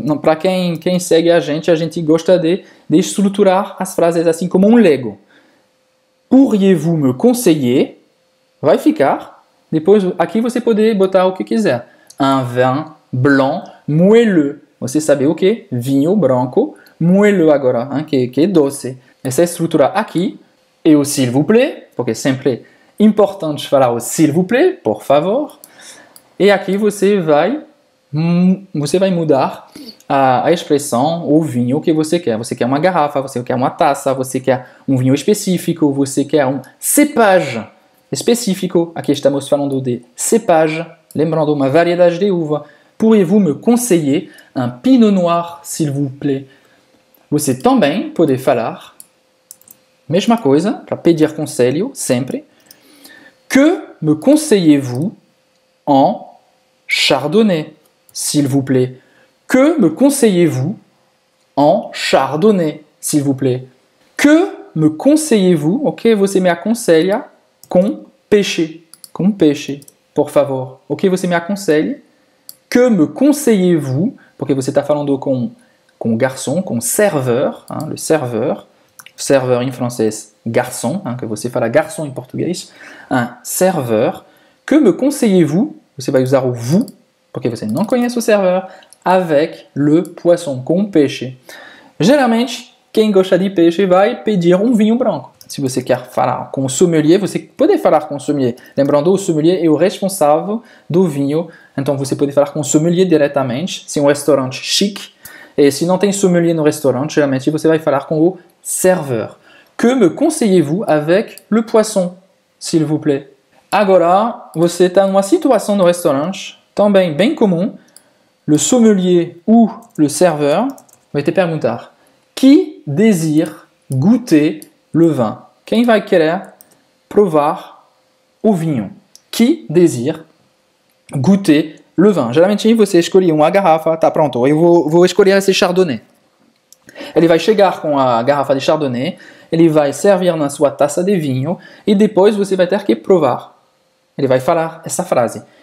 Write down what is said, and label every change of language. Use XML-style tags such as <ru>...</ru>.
<pt>Para quem segue a gente gosta de estruturar as frases assim como lego.</pt> <fr>Pourriez-vous me conseiller?</fr> <pt>Vai ficar. Depois, aqui você pode botar o que quiser.</pt> <fr>Un vin blanc moelleux.</fr> <pt>Você sabe o que? Vinho branco moelleux agora, hein? Que é doce. Essa é a estrutura aqui. E o s'il vous plaît, porque sempre é importante falar o s'il vous plaît, por favor. E aqui você vai mudar a expressão, o vinho que você quer. Você quer uma garrafa, você quer uma taça, você quer um vinho específico, você quer um cepage. Específico, aqui estamos falando de cépage, lembrando uma variedade de uva.</pt> <fr>Pourriez-vous me conseiller un pinot noir, s'il vous plaît?</fr> <pt>Você também pode falar, mesma coisa, para pedir conselho, sempre.</pt> <fr>Que me conseillez-vous en chardonnay, s'il vous plaît? Que me conseillez-vous en chardonnay, s'il vous plaît? Que me conseillez-vous,</fr> <pt>ok, você me aconselha, com peixe, por favor. O que você me aconselha?</pt> <fr>Que me conseillez-vous?</fr> <pt>Porque você está falando com garçom, com serveur, hein, le serveur. Serveur em francês, garçom, hein, que você fala garçom em português. Un serveur.</pt> <fr>Que me conseillez-vous?</fr> <pt>Você vai usar o vous, porque você não conhece o serveur,</pt> <fr>avec le poisson,</fr> <pt>com peixe. Geralmente, quem gosta de peixe vai pedir um vinho branco. Se você quer falar com o sommelier, você pode falar com o sommelier. Lembrando, o sommelier é o responsável do vinho. Então, você pode falar com o sommelier diretamente. Se é um restaurante chique. E se não tem sommelier no restaurante, geralmente você vai falar com o serveur.</pt> <fr>Que me conseillez-vous avec le poisson, s'il vous plaît?</fr> <pt>Agora, você tem uma situação no restaurante, também bem comum, le sommelier ou le serveur, vai te perguntar,</pt> <fr>qui désire goûter le vin?</fr> <pt>Quem vai querer provar o vinho?</pt> <fr>Qui désire goûter le vin?</fr> <pt>Geralmente, você escolhe uma garrafa, tá pronto, eu vou escolher esse chardonnay. Ele vai chegar com a garrafa de chardonnay, ele vai servir na sua taça de vinho, e depois você vai ter que provar. Ele vai falar essa frase.</pt>